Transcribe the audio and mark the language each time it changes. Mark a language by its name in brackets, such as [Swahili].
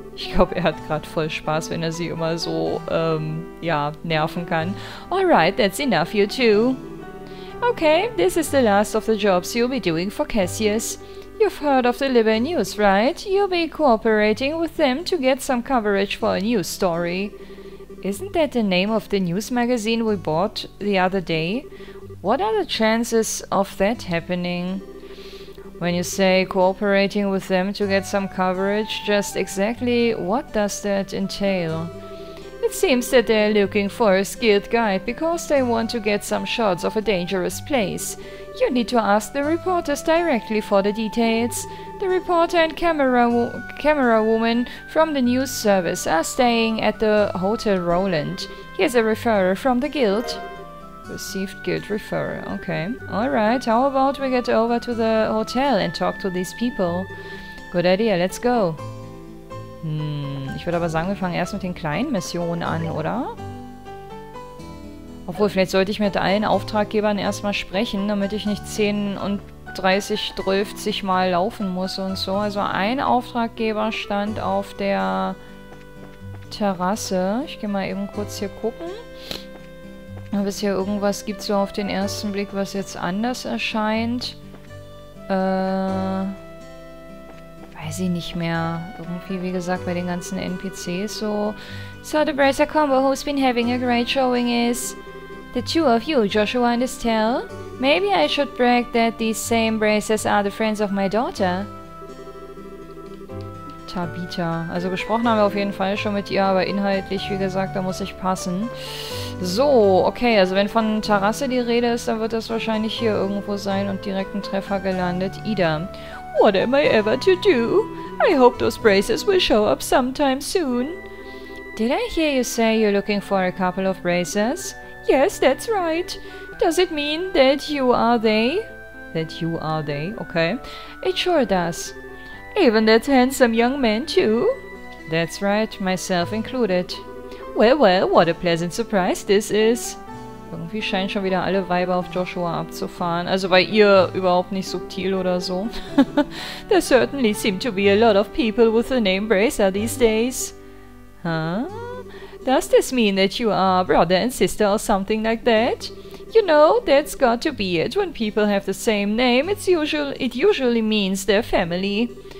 [German] Ich glaube, er hat gerade voll Spaß, wenn er sie immer so, nerven kann. [English] Alright, that's enough, you two. Okay, this is the last of the jobs you'll be doing for Cassius. You've heard of the Liber News, right? You'll be cooperating with them to get some coverage for a news story. Isn't that the name of the news magazine we bought the other day? What are the chances of that happening? When you say cooperating with them to get some coverage, just exactly what does that entail? It seems that they're looking for a skilled guide because they want to get some shots of a dangerous place. You need to ask the reporters directly for the details. The reporter and camera woman from the news service are staying at the Hotel Roland. Here's a referrer from the guild. Received guild referral. Okay. Alright, how about we get over to the hotel and talk to these people? Good idea, let's go. [German] Ich würde aber sagen, wir fangen erst mit den kleinen Missionen an, oder? Obwohl, vielleicht sollte ich mit allen Auftraggebern erstmal sprechen, damit ich nicht 10 und 30, 30 Mal laufen muss und so. Also ein Auftraggeber stand auf der Terrasse. Ich gehe mal eben kurz hier gucken. Ob es hier irgendwas gibt, so auf den ersten Blick, was jetzt anders erscheint. Weiß ich nicht mehr. Irgendwie, wie gesagt, bei den ganzen NPCs so. [English] So, the Bracer Combo, who's been having a great showing, is the two of you, Joshua and Estelle. Maybe I should brag that these same Bracers are the friends of my daughter. Tabitha. [German] Also gesprochen haben wir auf jeden Fall schon mit ihr, aber inhaltlich, wie gesagt, da muss ich passen. So, okay, also wenn von Terrasse die Rede ist, dann wird das wahrscheinlich hier irgendwo sein und direkt ein Treffer gelandet. Ida. [English] What am I ever to do? I hope those braces will show up sometime soon. Did I hear you say you're looking for a couple of braces? Yes, that's right. Does it mean that you are they? That you are they, okay. It sure does. Even that handsome young man too? That's right, myself included. Well, well, what a pleasant surprise this is. [German] Irgendwie scheinen schon wieder alle Weiber auf Joshua abzufahren. Also bei ihr überhaupt nicht subtil oder so. [English] There certainly seem to be a lot of people with the name Bracer these days. Huh? Does this mean that you are brother and sister or something like that? You know, that's got to be it. When people have the same name, it usually means their family.